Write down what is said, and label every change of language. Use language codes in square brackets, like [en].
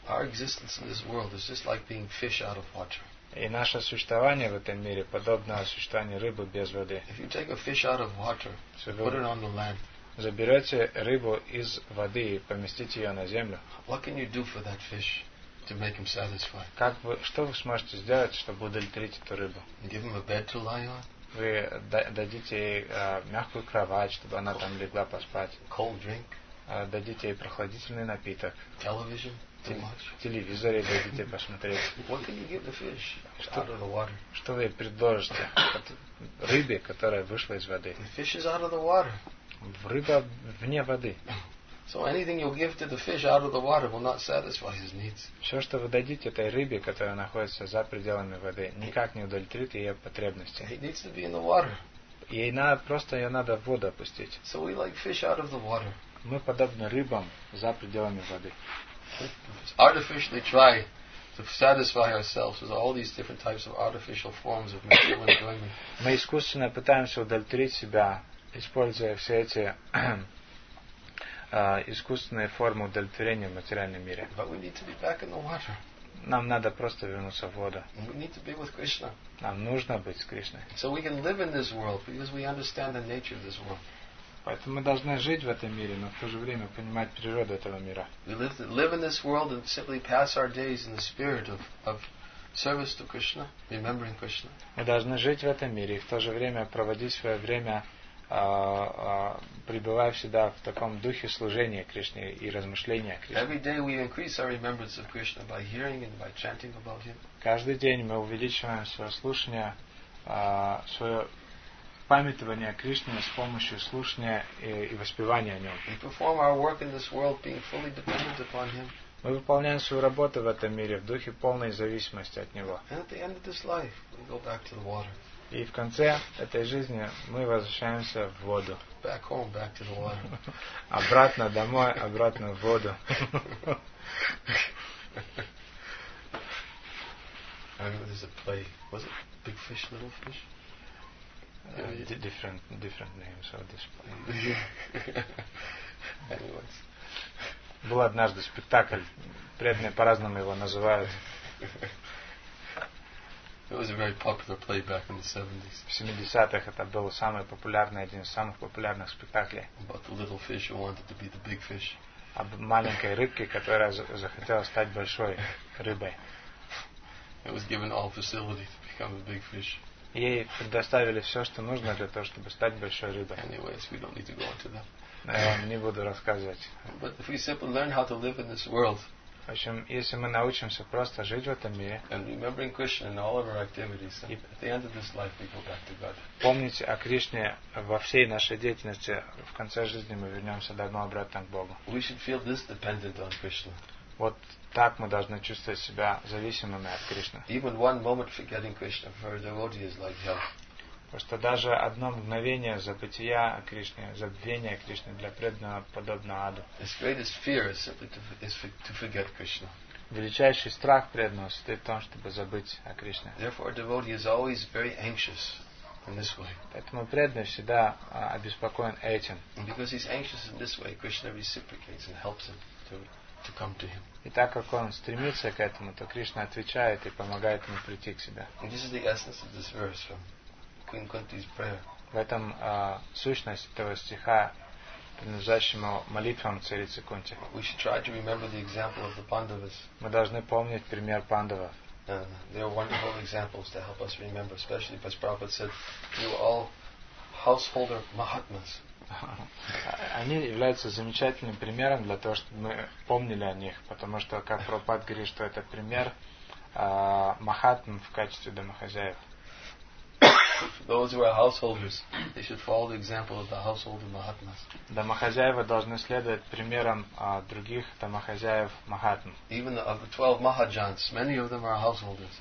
[en] Our existence in this world is just like being fish out of water. [ru] И наше существование в этом мире подобно существованию рыбы без воды. [en] If you take a fish out of water, put it on the land. [ru] Заберете рыбу из воды и поместите ее на землю. [en] What can you do for that fish to make him satisfied? [ru] Как вы, что вы сможете сделать, чтобы удовлетворить эту рыбу? [en] Give him a bed to lie on. [ru] Вы дадите ей мягкую кровать, чтобы она там легла поспать. [en] Cold drink. [ru] Дадите ей прохладительный напиток. [en] Television. Too much. [ru] Телевизор ей дадите посмотреть. [en] What can you give the fish out of the water? [ru] Что вы предложите рыбе, которая вышла из воды? [en] The fish is out of the water. [ru] Рыба вне воды. [en] So anything you give to the fish out of the water will not satisfy his needs. [ru] Все, что вы дадите этой рыбе, которая находится за пределами воды, никак не удовлетворит ее потребности. [en] It needs to be in the water. [ru] Ей надо просто ее надо в воду опустить. [en] So we like fish out of the water. [ru] Мы подобны рыбам за пределами воды. [en] Artificially try to satisfy ourselves with all these different types of artificial forms of material enjoyment. [ru] Мы искусственно пытаемся удовлетворить себя, используя все эти искусственные формы удовлетворения в материальном мире. [en] But we need to be back in the water. [ru] Нам надо просто вернуться в воду. [en] We need to be with Krishna. [ru] Нам нужно быть с Кришной. [en] So we can live in this world because we understand the nature of this world. [ru] Поэтому мы должны жить в этом мире, но в то же время понимать природу этого мира. [en] We live in this world and simply pass our days in the spirit of service to Krishna, remembering Krishna. [ru] Мы должны жить в этом мире и в то же время проводить свое время, пребывая всегда в таком духе служения Кришне и размышления о Кришне. [en] Every day we increase our remembrance of Krishna by hearing and by chanting about Him. [ru] Каждый день мы увеличиваем свое слушание, свое памятование о Кришне с помощью слушания и воспевания о Нем. [en] We perform our work in this world being fully dependent upon Him. [ru] Мы выполняем свою работу в этом мире в духе полной зависимости от Него. [en] And at the end of this life, we go back to the water. [ru] И в конце этой жизни мы возвращаемся в воду. [en] Back home, back to the water. [ru] Обратно домой, обратно в воду. [en] I remember there's a play. Was it Big Fish, Little Fish? Different names of this play. Anyways. [ru] Был однажды спектакль. Преданные по-разному его называют. [en] It was a very popular play back in the 70s. [ru] В 70-х это был самый популярный, один из самых популярных спектаклей. [en] About the little fish who wanted to be the big fish. [ru] Об маленькой рыбке, которая захотела стать большой рыбой. [en] It was given all facility to become a big fish. [ru] Ей предоставили все, что нужно для того, чтобы стать большой рыбой. [en] Anyways, we don't need to go into that. [ru] Но я вам не буду рассказывать. [en] But if we simply learn how to live in this world. [ru] В общем, если мы научимся просто жить в этом мире, [en] and remembering Krishna in all of our activities, and at the end of this life we go back to God. [ru] Помнить о Кришне во всей нашей деятельности, в конце жизни мы вернемся домой обратно к Богу. [en] We should feel this dependent on Krishna. [ru] Вот так мы должны чувствовать себя зависимыми от Кришны. [en] Even one moment forgetting Krishna for a devotee is like hell. [ru] Просто даже одно мгновение забытия о Кришне, забвения о Кришне для преданного подобно аду. [en] His greatest fear is simply to forget Krishna. [ru] Величайший страх преданного состоит в том, чтобы забыть о Кришне. [en] Therefore, a devotee is always very anxious in this way. [ru] Поэтому преданный всегда обеспокоен этим. [en] And because he's anxious in this way, Krishna reciprocates and helps him to come to him. [ru] И так как он стремится к этому, то Кришна отвечает и помогает ему прийти к себе. [en] And this is the essence of this verse from Queen Kunti's prayer. [ru] В этом сущность этого стиха, принадлежащему молитвам царицы Кунти. [en] We should try to remember the example of the Pandavas. [ru] Мы должны помнить пример Пандавов. [en] They are wonderful examples to help us remember, especially because Prabhupada said, "You are all householder Mahatmas." [ru] Они являются замечательным примером для того, чтобы мы помнили о них, потому что, как Прабхупад говорит, что это пример Махатм в качестве домохозяев. [en] For those who are householders, they should follow the example of the householder Mahatmas. [ru] Домохозяева должны следовать примерам других домохозяев Махатм. [en] Even of the 12 Mahajans, many of them are householders.